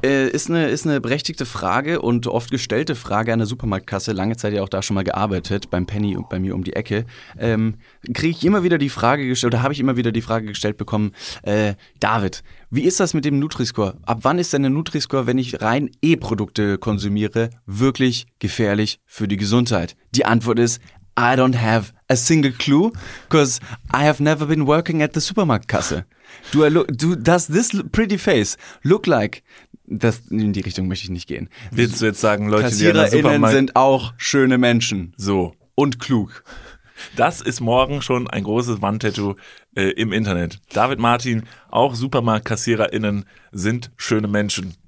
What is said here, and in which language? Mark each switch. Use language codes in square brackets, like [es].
[de] Ist eine berechtigte Frage und oft gestellte Frage an der Supermarktkasse, lange Zeit ja auch da schon mal gearbeitet, beim Penny und bei mir um die Ecke, kriege ich immer wieder die Frage gestellt, oder habe ich immer wieder die Frage gestellt bekommen, David, wie ist das mit dem Nutri-Score? Ab wann ist denn der Nutri-Score, wenn ich rein E-Produkte konsumiere, wirklich gefährlich für die Gesundheit? Die Antwort ist, [en] I don't have a single clue, because I have never been working at the Supermarktkasse. Does this pretty face look like... [de] Das, in die Richtung möchte ich nicht gehen. Willst du jetzt sagen, Leute, die in der Supermarkt... KassiererInnen sind auch schöne Menschen. So. Und klug. Das ist morgen schon ein großes Wandtattoo im Internet. David Martin, auch SupermarktkassiererInnen sind schöne Menschen.